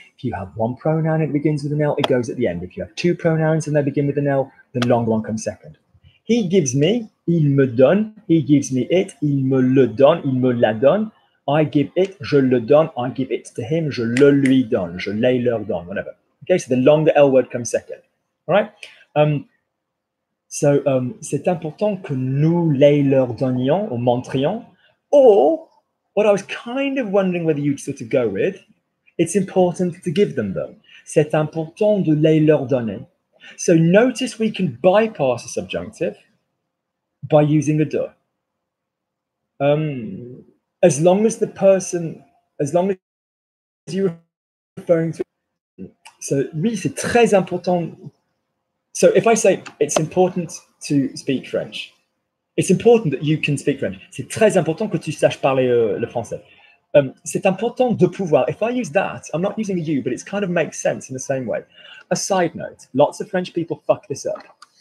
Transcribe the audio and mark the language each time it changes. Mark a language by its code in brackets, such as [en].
[en] If you have one pronoun, it begins with an L, it goes at the end. If you have two pronouns and they begin with an L, the long one comes second. He gives me, [fr] il me donne. [en] He gives me it, [fr] il me le donne, il me la donne. [en] I give it, [fr] je le donne. [en] I give it to him, [fr] je le lui donne, je le leur donne, [en] whatever. Okay, so the longer L word comes second. All right? [fr] So, c'est important que nous les leur donnions ou montrions. [en] Or, what I was kind of wondering whether you'd sort of go with, it's important to give them though. [fr] C'est important de les leur donner. [en] So notice we can bypass a subjunctive by using a de. As long as the person, as long as you're referring to... [fr] So, oui, c'est très important... [en] So if I say it's important to speak French, it's important that you can speak French. [fr] C'est très important que tu saches parler le français. C'est important de pouvoir. [en] If I use that, I'm not using a you, but it kind of makes sense in the same way. A side note, lots of French people fuck this up.